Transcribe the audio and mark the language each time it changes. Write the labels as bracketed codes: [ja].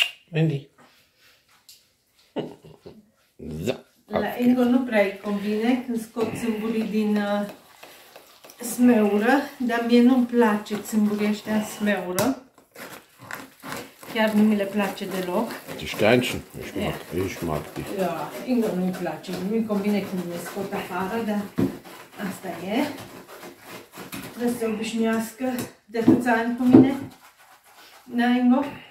[ro] Mindy. Da. La Ingo nu prea îi convine când scot țâmburii din smeură, dar mie nu-mi place țâmburii ăștia în smeură. Chiar nu mi le place deloc. [de] Die Steinchen, ich mag, ich mag die. [ro] Da, Ingo nu-i place, nu-i convine când le scot afară, dar asta e. Trebuie să se obișnuiască de câți ani cu mine. Na, Ingo?